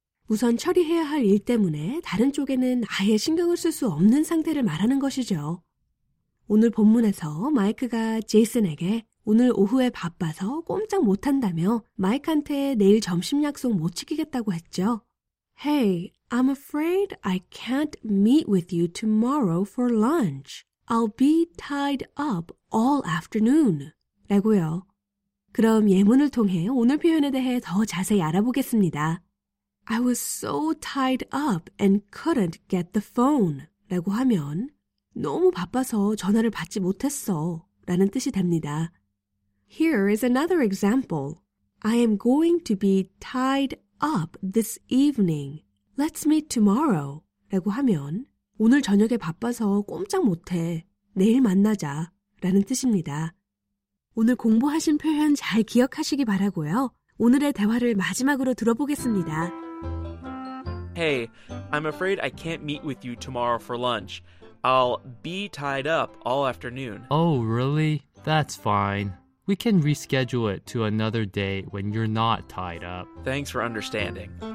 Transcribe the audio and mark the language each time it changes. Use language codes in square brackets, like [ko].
[ko] 우선 처리해야 할 일 때문에 다른 쪽에는 아예 신경을 쓸 수 없는 상태를 말하는 것이죠. 오늘 본문에서 마이크가 제이슨에게 오늘 오후에 바빠서 꼼짝 못한다며 마이크한테 내일 점심 약속 못 지키겠다고 했죠. [en] Hey, I'm afraid I can't meet with you tomorrow for lunch. I'll be tied up all afternoon. [ko] 라고요. 그럼 예문을 통해 오늘 표현에 대해 더 자세히 알아보겠습니다. [en] I was so tied up and couldn't get the phone. [ko] 라고 하면 너무 바빠서 전화를 받지 못했어 라는 뜻이 됩니다. [en] Here is another example. I am going to be tied up this evening. Let's meet tomorrow. [ko] 라고 하면 오늘 저녁에 바빠서 꼼짝 못해 내일 만나자 라는 뜻입니다. 오늘 공부하신 표현 잘 기억하시기 바라고요. 오늘의 대화를 마지막으로 들어보겠습니다. [en] Hey, I'm afraid I can't meet with you tomorrow for lunch. I'll be tied up all afternoon. Oh, really? That's fine. We can reschedule it to another day when you're not tied up. Thanks for understanding.